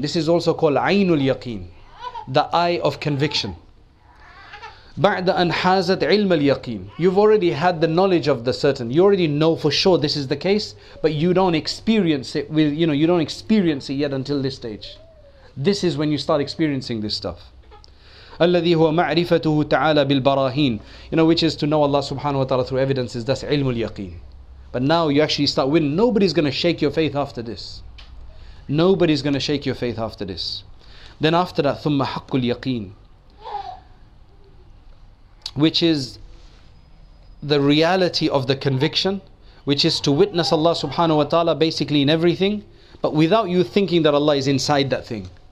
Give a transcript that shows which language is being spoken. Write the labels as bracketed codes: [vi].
[en] This is also called عَيْنُ الْيَقِينَ, the eye of conviction. [ar] بعد أن حازت علم اليقين. [en] You've already had the knowledge of the certain. You already know for sure this is the case, but you don't experience it with, you know, you don't experience it yet until this stage. This is when you start experiencing this stuff. [ar] الذي هو معرفته تعالى بالبراهين. [en] You know, which is to know Allah subhanahu wa ta'ala through evidences. That's ilm al-yaqeen. But now you actually start winning. Nobody's going to shake your faith after this. Nobody's going to shake your faith after this. Then after that, [ar] ثُمَّ حَقُّ الْيَقِينِ, [en] which is the reality of the conviction, which is to witness Allah subhanahu wa ta'ala basically in everything, but without you thinking that Allah is inside that thing.